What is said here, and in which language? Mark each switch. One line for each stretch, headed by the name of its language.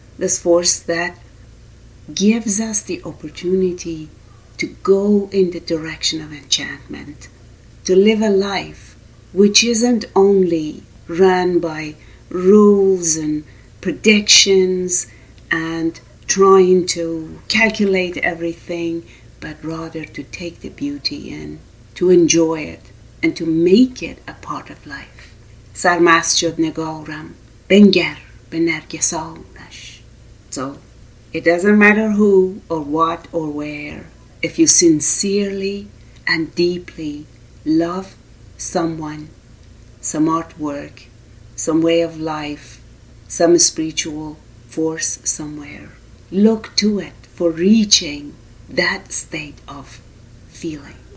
English: This force that gives us the opportunity to go in the direction of enchantment, to live a life which isn't only run by rules and predictions and trying to calculate everything, but rather to take the beauty in, to enjoy it, and to make it a part of life.
Persian: سرمست شد نگارم بنگر به نرگسانش.
English: So it doesn't matter who or what or where, if you sincerely and deeply love someone, some artwork, some way of life, some spiritual force somewhere, look to it for reaching that state of feeling.